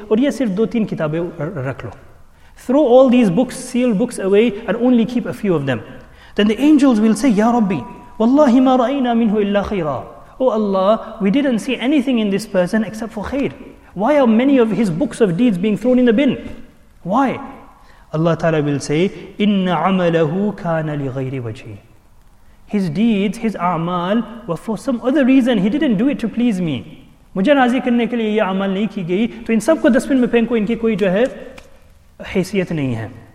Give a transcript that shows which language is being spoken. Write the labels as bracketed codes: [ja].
[ur] Aur yeh sirf do teen kitabe rakh lo. [en] Throw all these books, sealed books away and only keep a few of them. Then the angels will say, Ya Rabbi, [ar] وَاللَّهِ مَا رَأَيْنَا مِنْهُ إِلَّا خَيْرًا. [en] Oh Allah, we didn't see anything in this person except for khair. Why are many of his books of deeds being thrown in the bin? Why? Allah Ta'ala will say, [ar] إِنَّ عَمَلَهُ كَانَ لِغَيْرِ وَجْهِ. [en] His deeds, his a'mal, were for some other reason. He didn't do it to please me. [ur] مجھے راضی کرنے کے لئے یہ عمل نہیں کی گئی. تو ان سب کو دسپن میں پھینکو, ان کی کوئی جو ہے حیثیت نہیں ہے.